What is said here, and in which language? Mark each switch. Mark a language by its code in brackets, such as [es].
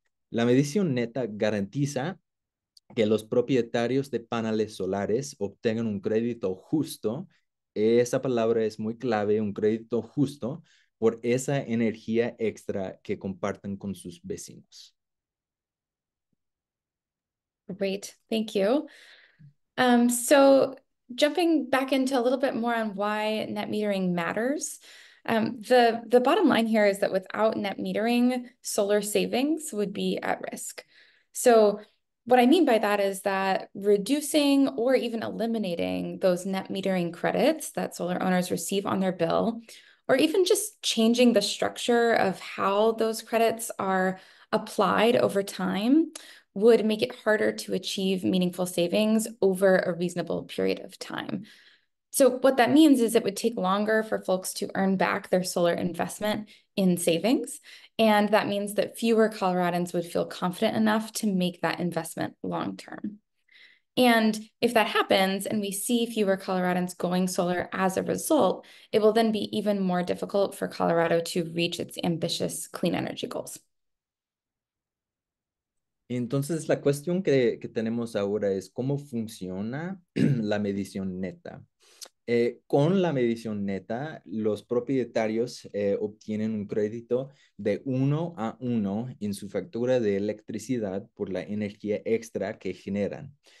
[es] La medición neta garantiza que los propietarios de paneles solares obtengan un crédito justo. Esa palabra es muy clave, un crédito justo por esa energía extra que comparten con sus vecinos. [en] Great, thank you. So jumping back into a little bit more on why net metering matters, the bottom line here is that without net metering, solar savings would be at risk. So what I mean by that is that reducing or even eliminating those net metering credits that solar owners receive on their bill, or even just changing the structure of how those credits are applied over time, would make it harder to achieve meaningful savings over a reasonable period of time. So what that means is it would take longer for folks to earn back their solar investment in savings. And that means that fewer Coloradans would feel confident enough to make that investment long-term. And if that happens and we see fewer Coloradans going solar as a result, it will then be even more difficult for Colorado to reach its ambitious clean energy goals. [es] Entonces, la cuestión que tenemos ahora es cómo funciona la medición neta. Con la medición neta, los propietarios obtienen un crédito de 1 a 1 en su factura de electricidad por la energía extra que generan.